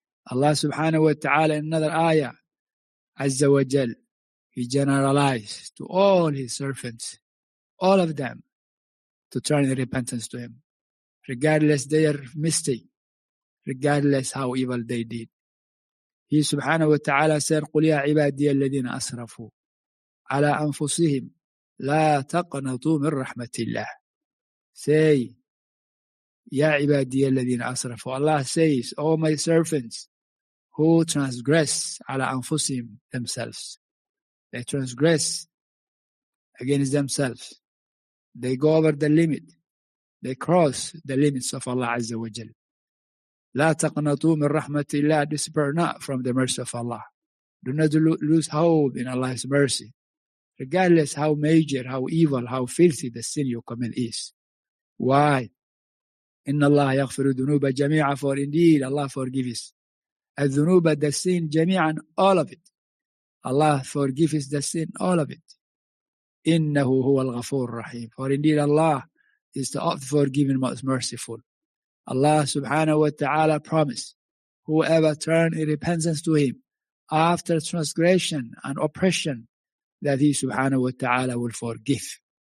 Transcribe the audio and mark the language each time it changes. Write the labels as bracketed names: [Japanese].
[English] Allah subhanahu wa ta'ala in another ayah, Azza wa Jal, he generalized to all his servants, all of them, to turn in repentance to him, regardless their mistake, regardless how evil they did. He subhanahu wa ta'ala said, [Arabic] قُلْ يَا عِبَادِيَ الَّذِينَ أَسْرَفُوا عَلَىٰ أَنفُسِهِمْ لَا تَقْنَطُوا مِنْ رَحْمَةِ اللَّهِ. [English] Say, [Arabic] يَا عِبَادِيَ الَّذِينَ أَسْرَفُوا. [English] Allah says, O my servants, who transgress [Arabic] عَلَىٰ أَنفُسِهِمْ [English] themselves. They transgress against themselves. They go over the limit. They cross the limits of Allah Azza wa Jal. [Arabic] لا تقنطوا من رحمة الله. [English] Despair not from the mercy of Allah. Do not lose hope in Allah's mercy, regardless how major, how evil, how filthy the sin you commit is. Why? [Arabic] إن الله يغفر الذنوب جميعا. [English] For indeed Allah forgives [Arabic] الذنوب, [English] the sin [Arabic] جميعا, [English] all of it. Allah forgives the sin, all of it. [Arabic] إنه هو الغفور الرحيم. [English] For indeed Allah is the oft forgiving, most merciful. Allah subhanahu wa ta'ala promised, whoever turned in repentance to him after transgression and oppression, that he subhanahu wa ta'ala will forgive.